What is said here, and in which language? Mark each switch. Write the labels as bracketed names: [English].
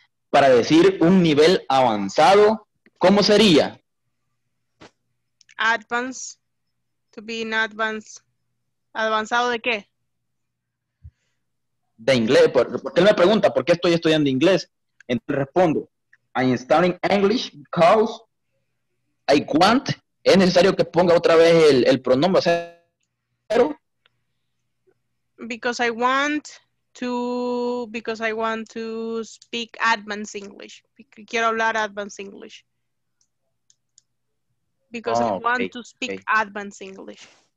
[Spanish] Para decir un nivel avanzado, ¿cómo sería? [English] Advanced. To be in advanced. [Spanish] ¿Avanzado de qué? De inglés. Porque él me pregunta, ¿por qué estoy estudiando inglés? Entonces respondo, [English] I'm studying English because I want. [Spanish] Es necesario que ponga otra vez el pronombre. Pero, [English] because I want... because I want to speak advanced English. [Spanish] Quiero hablar [English] advanced English. Because I want to speak advanced English.